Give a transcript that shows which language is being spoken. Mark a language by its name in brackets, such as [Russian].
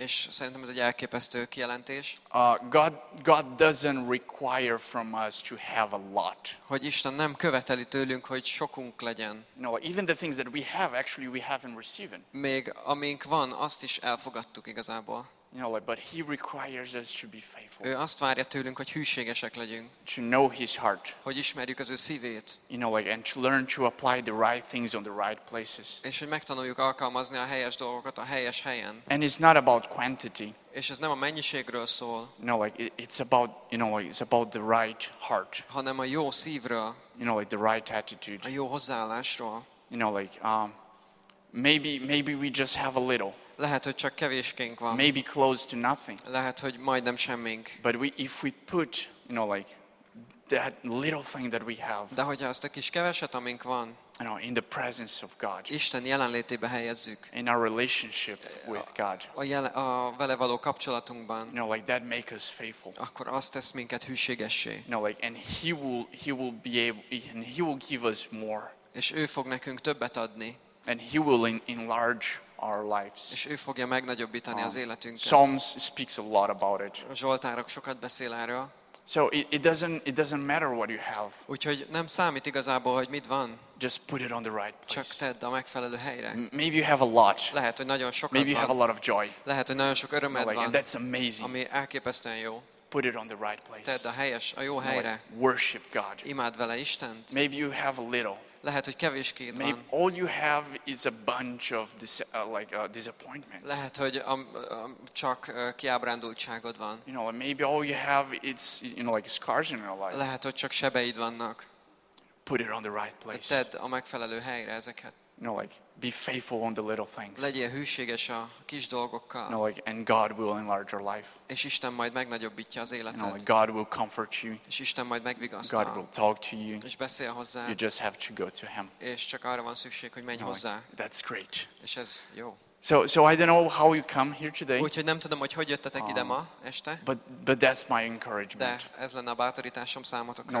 [Hungarian] És szerintem ez egy elképesztő kijelentés. [English] God doesn't require from us to have a lot. [Hungarian] Hogy Isten nem követeli tőlünk, hogy sokunk legyen. [English] No, even the things that we have, actually we haven't received. [Hungarian] Még amink van, azt is elfogadtuk igazából. [English] You know, like, but he requires us to be faithful. [Hungarian] Ő azt várja tőlünk, hogy hűségesek legyünk. [English] To know his heart. [Hungarian] Hogy ismerjük az ő szívét. [English] You know, like, and to learn to apply the right things on the right places. [Hungarian] És hogy megtanuljuk alkalmazni a helyes dolgokat a helyes helyen. [English] And it's not about quantity. [Hungarian] És ez nem a mennyiségről szól. [English] You know, like, it's about, you know, like, it's about the right heart. [Hungarian] Hanem a jó szívről. [English] You know, like, the right attitude. [Hungarian] A jó hozzáállásról. [English] You know, like, maybe we just have a little. [Hungarian] Lehet, hogy csak kevéskénk van. [English] Maybe close to nothing. [Hungarian] Lehet, hogy majdnem semmink. [English] But if we put, you know, like that little thing that we have. [Hungarian] De hogyha azt a kis keveset, amink van. [English] You know, in the presence of God. [Hungarian] Isten jelenlétébe helyezzük. [English] In our relationship with God. [Hungarian] A vele való kapcsolatunkban. [English] You know, like that make us faithful. [Hungarian] Akkor azt tesz minket hűségessé. [English] You know, like, and he will be able, and he will give us more. [Hungarian] És ő fog nekünk többet adni. [English] And he will enlarge our lives. [Hungarian] És ő fogja megnagyobbítani az életünket. [English] Psalms speaks a lot about it. [Hungarian] A Zsoltárok sokat beszél erről. [English] So it doesn't matter what you have. [Hungarian] Úgyhogy nem számít igazából, hogy mit van. [English] Just put it on the right place. [Hungarian] Csak tedd a megfelelő helyre. [English] Maybe you have a lot. [Hungarian] Lehet, hogy nagyon sokat. [English] Maybe you have a lot of joy. [Hungarian] Lehet, hogy nagyon sok örömed van. [English] And that's amazing. [Hungarian] Ami elképesztően jó. [English] Put it on the right place. [Hungarian] Tedd a helyes, a jó helyre. [English] Worship God. [Hungarian] Imádd vele Istent. [English] Maybe you have a little. [Hungarian] Lehet, hogy kevéskéd van. [English] Maybe all you have is a bunch of disappointments. [Hungarian] Lehet, hogy csak kiábrándultságod van. [English] You know, maybe all you have is, you know, like scars in your life. [Hungarian] Lehet, hogy csak sebeid vannak. [English] Put it on the right place. [Hungarian] Tedd a megfelelő helyre ezeket. [English] You know, like be faithful on the little things. [Hungarian] Legyél hűséges a kis dolgokkal. [English] You know, like and God will enlarge your life. [Hungarian] És Isten majd megnagyobbítja az életet. [English] You know, like God will comfort you. [Hungarian] És Isten majd megvigasztal. [English] God will talk to you. [Hungarian] És beszél hozzá. [English] You just have to go to Him. [Hungarian] És csak arra van szükség, hogy menj hozzá. [English] That's great. [Hungarian] És ez jó. [English] So I don't know how you come here today. [Hungarian] Úgyhogy nem tudom, hogy jöttetek ide ma este. [English] But that's my encouragement. [Hungarian] De ez lenne a bátorításom számotokra.